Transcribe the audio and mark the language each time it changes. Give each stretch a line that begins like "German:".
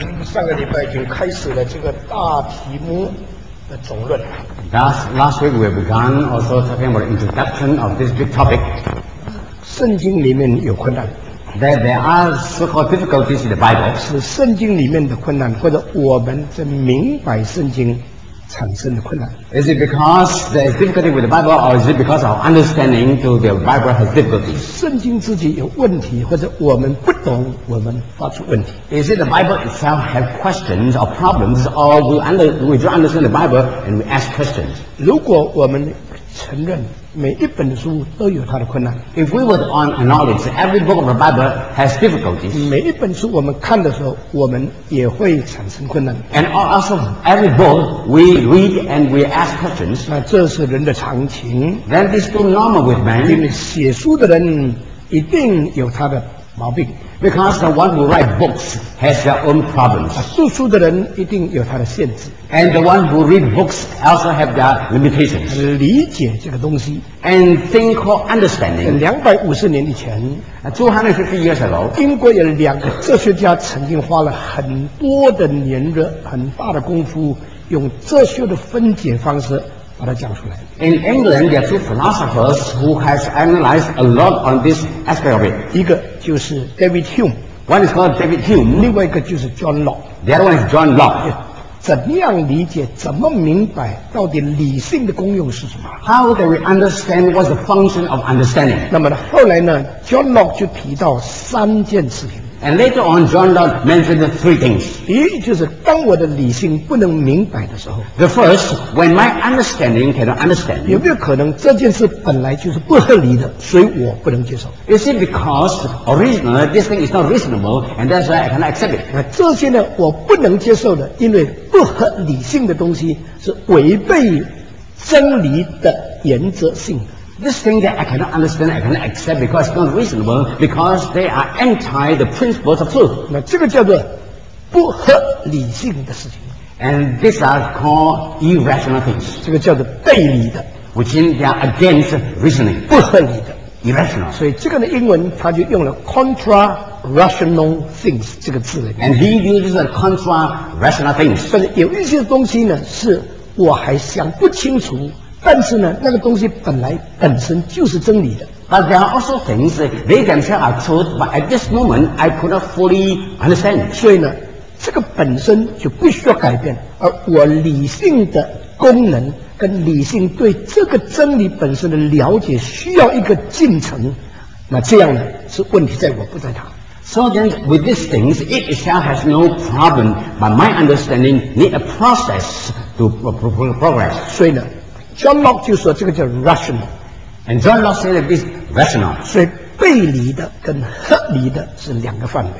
English: Last week we began also talking about introduction of this big topic.
Chinese: 圣经里面有困难。
English: That there are so-called difficulties in the Bible.
Chinese: 是圣经里面的困难，或者我们在明白圣经产生的困难。
English: Is it because there is difficulty with the Bible, or is it because of understanding to the Bible has difficulties?
Chinese: 圣经自己有问题，或者我们不懂，我们发出问题。
English: Is it the Bible itself have questions or problems, or we don't understand the Bible and we ask questions?
Chinese: 如果我们承认每一本书都有它的困难。
English: If we were to acknowledge every book of the Bible has difficulties,
Chinese: 每一本书我们看的时候，我们也会产生困难。
English: And also every book we read and we ask questions,
Chinese: 那这是人的常情。
English: Then this is normal with man.
Chinese: 因为写书的人一定有他的毛病。
English: Because the one who writes books has their own problems.
Chinese: 读书的人一定有他的限制。
English: And the one who reads books also have their limitations.
Chinese: 理解这个东西。
English: And think called understanding.
Chinese: 250年以前。
English: 250 years ago.
Chinese: 英国有两个哲学家曾经花了很多的年月，很大的功夫，用哲学的分解方式把它讲出来。
English: In England, there are two philosophers who have analyzed a lot on this aspect of it.
Chinese: 一个就是 David Hume.
English: One is called David Hume.
Chinese: 另外一个就是 John Locke.
English: The other one is John Locke.
Chinese: 怎样理解，怎么明白，到底理性的功用是什么？
English: How do we understand what's the function of understanding?
Chinese: 那么后来呢， John Locke 就提到三件事情。
English: And later on, John Locke mentioned three things.
Chinese: 第一就是当我的理性不能明白的时候。
English: The first, when my understanding cannot understand.
Chinese: 有没有可能这件事本来就是不合理的，所以我不能接受。
English: Is it because originally this thing is not reasonable, and that's why I cannot accept it?
Chinese: 那这些呢，我不能接受的，因为不合理性的东西是违背真理的原则性的。
English: This thing that I cannot understand, I cannot accept because it's not reasonable, because they are anti the principles of truth.
Chinese: 那这个叫做不合理性的事情。
English: And these are called irrational things.
Chinese: 这个叫做背离的。
English: Which means they are against reasoning.
Chinese: 不合理的。
English: Irrational.
Chinese: 所以这个的英文它就用了 contra-rational things 这个字。
English: And he uses a contra-rational things.
Chinese: 但是有一些东西呢，是我还想不清楚，但是呢，那个东西本来本身就是真理的。
English: But there are also things they themselves are truth, but at this moment I could not fully understand.
Chinese: 所以呢，这个本身就不需要改变，而我理性的功能跟理性对这个真理本身的了解需要一个进程，那这样呢，是问题在我不在他。
English: So then, with these things, it itself has no problem, but my understanding need a process to progress.
Chinese: 所以呢。John Locke 就说这个叫 rational.
English: And John Locke said that it's rational.
Chinese: 所以背离的跟合理的是两个范围。